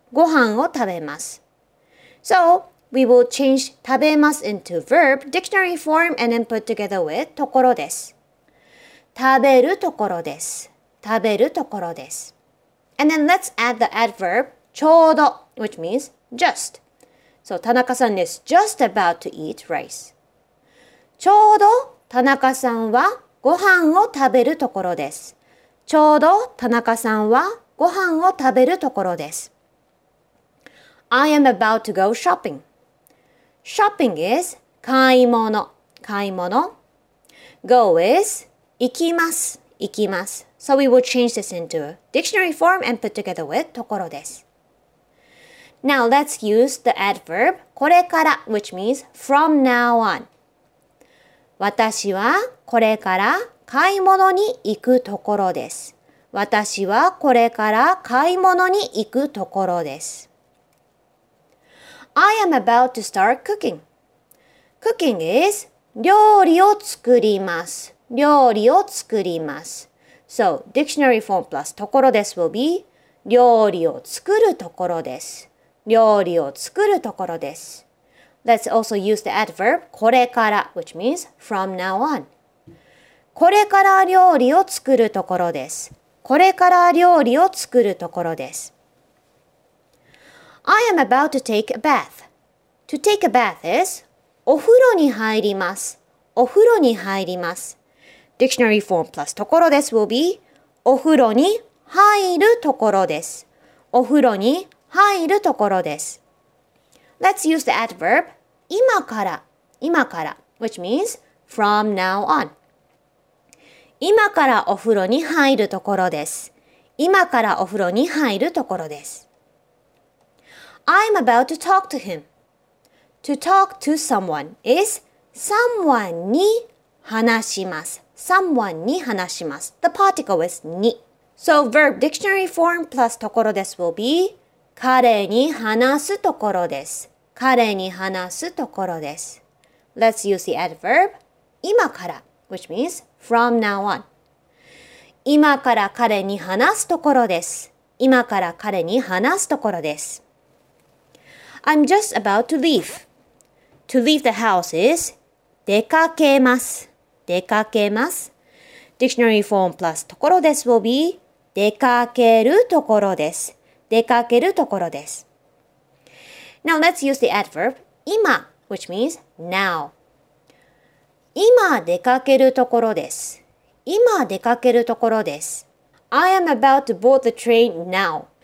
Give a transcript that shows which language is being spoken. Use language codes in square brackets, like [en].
[ja] ご飯を食べます。 [en] So, we will change 食べます into verb, dictionary form, and then put together with ところです。 [ja] 食べるところです。食べるところです。 [en] And then let's add the adverb ちょうど, which means just. So, 田中さん is just about to eat rice. [ja] ちょうど田中さんはご飯を食べるところです。ちょうど田中さんはご飯を食べるところです。 [en] I am about to go shopping. Shopping is [ja] 買い物、買い物。 [en] Go is [ja] 行きます、行きます。 [en] So we will change this into dictionary form and put together with ところです。 Now let's use the adverb これから, which means from now on. [ja] 私はこれから買い物に行くところです。私はこれから買い物に行くところです。 [en] I am about to start cooking. Cooking is [ja] 料理を作ります。料理を作ります。 [en] So, dictionary form plus ところです will be [ja] 料理を作るところです。料理を作るところです。 [en] Let's also use the adverb これから, which means from now on. [ja] これから料理を作るところです。これから料理を作るところです。 [en] I am about to take a bath. To take a bath is [ja] お風呂に入ります。お風呂に入ります。 [en] Dictionary form plus ところです will be [ja] お風呂に入るところです。お風呂に入るところです。 [en] Let's use the adverb 今から、今から、which means from now on. [ja] 今からお風呂に入るところです。今からお風呂に入るところです。 [en] I'm about to talk to him. To talk to someone is someone に話します。 Someone に話します。The particle is に。So verb dictionary form plus ところです will be [ja] 彼に話すところです。彼に話すところです。 [en] Let's use the adverb [ja] 今から。 [en] Which means from now on. [ja] 今から彼に話すところです。今から彼に話すところです。 [en] I'm just about to leave. To leave the house is [ja] 出かけます。出かけます。 [en] Dictionary form plus ところです will be [ja] 出かけるところです。出かけるところです。 [en] Now let's use the adverb 今, which means now. [ja] 今出かけるところです。今出かけるところです。 [en] I am about to board the train now.